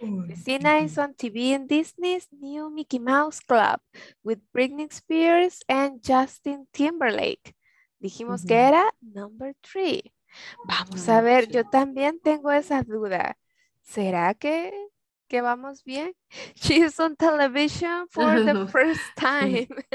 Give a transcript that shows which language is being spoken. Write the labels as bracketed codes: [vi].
[en] Cristina is on TV in Disney's new Mickey Mouse Club with Britney Spears and Justin Timberlake. [es] Dijimos que era [en] number 3. [es] Vamos a ver, yo también tengo esa duda. ¿Será que vamos bien? [en] She is on television for the first time.